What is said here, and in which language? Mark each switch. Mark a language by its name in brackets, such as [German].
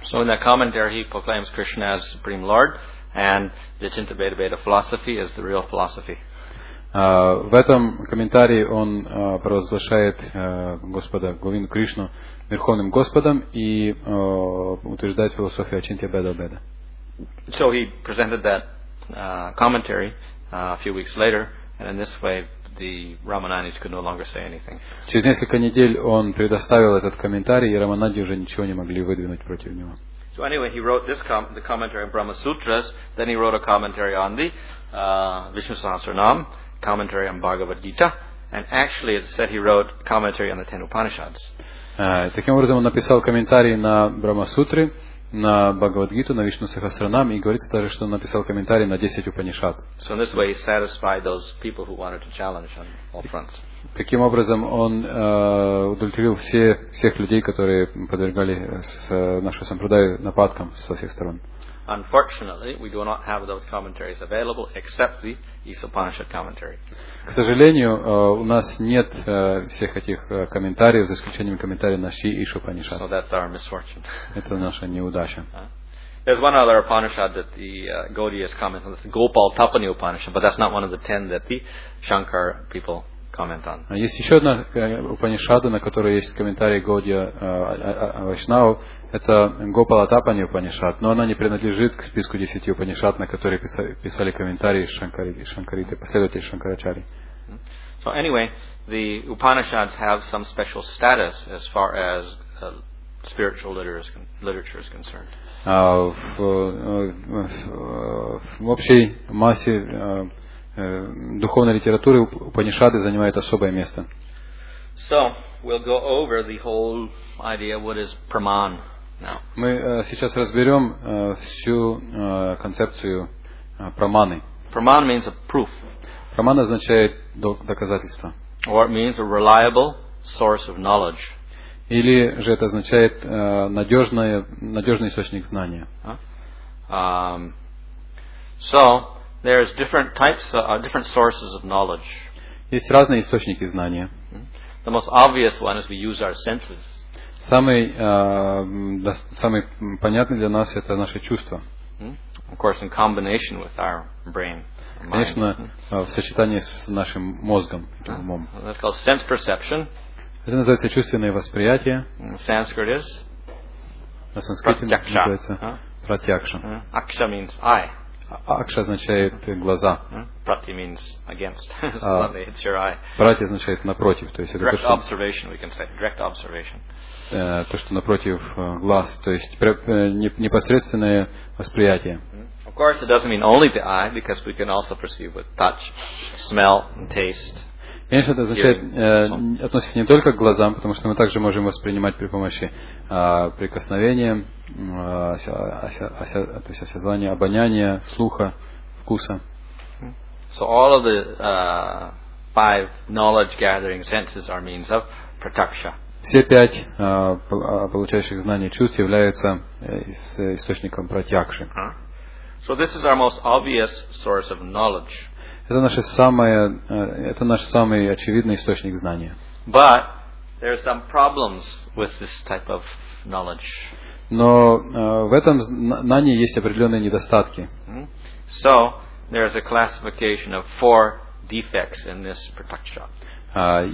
[English] So in that commentary he proclaims Krishna as Supreme Lord and the Chintamata Veda philosophy is the real philosophy. [Russian] В этом комментарии он провозглашает Господа Говинду Кришну Верховным Господом и утверждает философию Ачинтья Бхеда Обеда. [English] So he presented that commentary a few weeks later, and in this way the Ramananis could no longer say anything. [Russian] Через несколько недель он предоставил этот комментарий, и Раманади уже ничего не могли выдвинуть против него. [English] So anyway, he wrote this the commentary on Brahma Sutras, then he wrote a commentary on the Vishnu Sahasranam, commentary on Bhagavad Gita, and actually it said he wrote commentary on the Ten Upanishads. [Russian] Таким образом, он написал комментарий на Брахмасутры, на Бхагавадгиту, на Вишну Сахасранам, и говорится даже, что он написал комментарий на 10 Упанишад. [English] So in this way he satisfied those people who wanted to challenge on all fronts. [Russian] Таким образом, он удовлетворил всех людей, которые подвергали нашего сампрадаю нападкам со всех сторон. [English] Unfortunately, we do not have those commentaries available except the Isopanishad commentary. [Russian] К сожалению, у нас нет всех этих комментариев, за исключением комментария на Ши Исопанишад. [English] So that's our misfortune. [Russian] Это наша неудача. [English] There's one other Upanishad that the Gaudiya is commenting on. It's Gopal Tapani Upanishad, but that's not one of the ten that the Shankar people comment on. [Russian] Есть еще одна Упанишада, на которой есть комментарий Гаудия Вайшнава. Это Гопала Тапани Упанишад, но она не принадлежит к списку 10 Упанишад, на которые писали комментарии Шанкариты, последователи Шанкарачари. [English] So anyway, the Upanishads have some special status as far as spiritual literature is concerned. [Russian] В общей массе духовной литературы Упанишады занимают особое место. [English] So we'll go over the whole idea what is Praman. [Russian] Мы сейчас разберем всю концепцию праманы. [English] Praman means a proof. [Russian] Праман означает доказательство. [English] Or it means a reliable source of knowledge. [Russian] Или же это означает надежный источник знания. [English] So there is different types, different sources of knowledge. [Russian] Есть разные источники знания. [English] The most obvious one is we use our senses. [Russian] Самый понятный для нас это наши чувства. [English] Of course, in combination with our brain. [Russian] Конечно, в сочетании с нашим мозгом, умом. [English] That's called sense perception. [Russian] Это называется чувственное восприятие. [English] Sanskrit is. [Russian] На санскрите называется pratyaksha. [English] Aksha means eye. [Russian] Aksha означает глаза. [English] Prati means against. Suddenly it's your eye. [Russian] Prati означает напротив, то есть [English] direct observation, we can say direct observation. [Russian] То, что напротив глаз, то есть непосредственное восприятие. [English] Of course, it doesn't mean only the eye, because we can also perceive with touch, smell, taste. [Russian] Конечно, это означает, относится не только к глазам, потому что мы также можем воспринимать при помощи прикосновения, то есть осязания, обоняния, слуха, вкуса. [English] So all of the five knowledge-gathering senses are means of pratyaksha. [Russian] Все пять получающих знания чувств являются источником пратьякши. [English] So this is our most obvious source of knowledge. [Russian] Это наш самый очевидный источник знания. [English] But there are some problems with this type of knowledge. [Russian] Но в этом знании есть определенные недостатки. [English] So there is a classification of four defects in this pratyaksha.